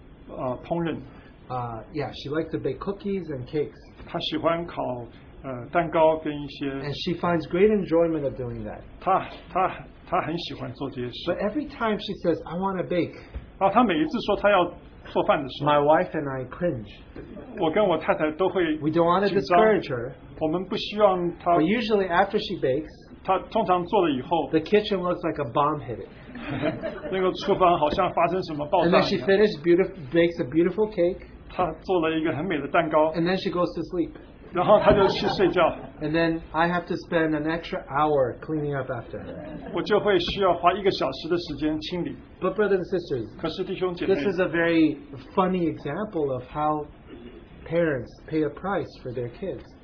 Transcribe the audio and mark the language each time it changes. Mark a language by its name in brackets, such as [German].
[English] yeah, she likes to bake cookies and cakes. [Chinese] 她喜欢烤, 蛋糕跟一些, [English] and she finds great enjoyment of doing that. [Chinese] 她很喜欢做这些事。 [English] But every time she says, I want to bake, [Chinese] 她每一次说她要做饭的时候, [English] my wife and I cringe. [Chinese] 我跟我太太都会, [English] we don't want to discourage her. But usually after she bakes, [Chinese] 她通常做了以后, [English] the kitchen looks like a bomb hit it. [Chinese] 那个厨房好像发生什么爆炸一样。 [English] And then she finished bakes a beautiful cake. [Chinese] 她做了一个很美的蛋糕, [English] and then she goes to sleep. [Chinese] 然后她就去睡觉。 [English] And then I have to spend an extra hour cleaning up after her. [Chinese] 我就会需要花一个小时的时间清理。 [English] But brothers and sisters, [Chinese] 可是弟兄姐妹, [English] this is a very funny example of how parents pay a price for their kids.